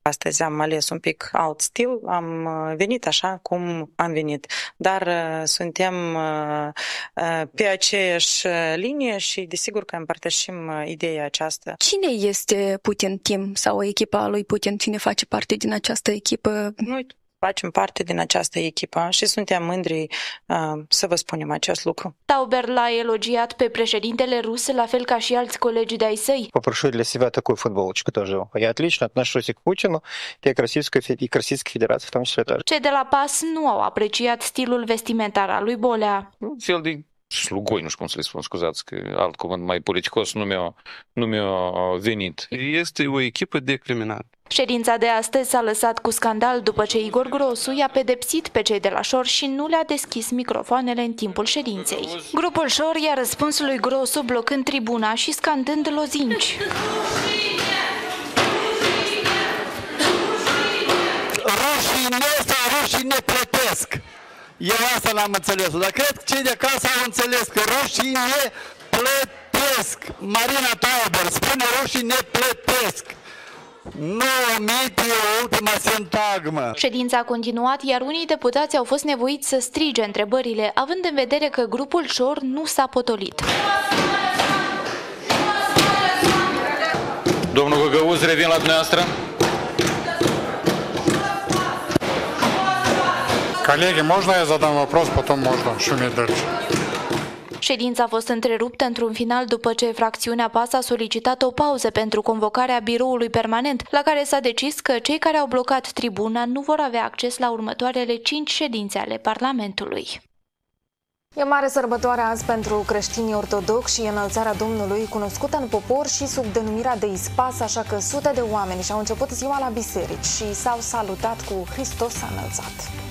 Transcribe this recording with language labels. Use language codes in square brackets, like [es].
[ro] Astăzi am ales un pic alt stil, am venit așa cum am venit, dar suntem pe aceeași linie și desigur că împărtășim ideea aceasta. Cine este Putin Team sau echipa lui Putin? Cine face parte din această echipă? Noi facem parte din această echipă și suntem mândri să vă spunem acest lucru. Tauber l-a elogiat pe președintele rus, la fel ca și alți colegi de-ai săi. [ru] Попрошу для себя такую футболочку тоже. Я отлично отношусь к Путину и к Российской Федерации в том числе тоже. [ro] Cei de la PAS nu au apreciat stilul vestimentar al lui Bolea. Fel de slugoi, nu știu cum să le spun, scuzați, că alt cuvânt mai politicos nu mi-a venit. Este o echipă de criminal. Ședința de astăzi s-a lăsat cu scandal după ce Igor Grosu i-a pedepsit pe cei de la Șor și nu le-a deschis microfoanele în timpul ședinței. Grupul Șor i-a răspuns lui Grosu blocând tribuna și scandând lozinci. Rușine! Rușine! Rușine! Rușine! Rușine! Rușine! Rușine! Eu asta n-am înțeles, dar cred că cei de acasă au înțeles că rușine plătesc. Marina Tauber spune rușine plătesc. Nu omite o ultima sintagmă. Ședința a continuat, iar unii deputați au fost nevoiți să strige întrebările, având în vedere că grupul Șor nu s-a potolit. Domnul Găgăuz, revin la dumneavoastră. [ru] Colegi, можно я задам вопрос, потом можно шуметь дальше. [ro] Ședința a fost întreruptă într-un final după ce fracțiunea PAS a solicitat o pauză pentru convocarea biroului permanent, la care s-a decis că cei care au blocat tribuna nu vor avea acces la următoarele 5 ședințe ale Parlamentului. E mare sărbătoare azi pentru creștinii ortodoxi și înălțarea Domnului, cunoscută în popor și sub denumirea de ispas, așa că sute de oameni și-au început ziua la biserici și s-au salutat cu Hristos înălțat.